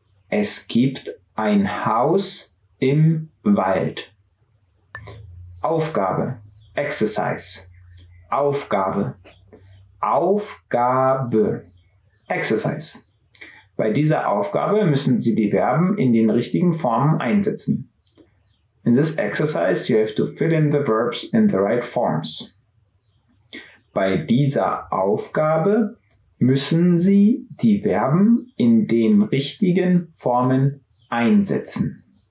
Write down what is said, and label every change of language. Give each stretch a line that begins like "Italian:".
German: Es gibt ein Haus im Wald. Aufgabe, exercise. Aufgabe, Aufgabe, exercise. Bei dieser Aufgabe müssen Sie die Verben in den richtigen Formen einsetzen.
English: In this exercise, you have to fill in the verbs in the right forms.
German: Bei dieser Aufgabe müssen Sie die Verben in den richtigen Formen einsetzen.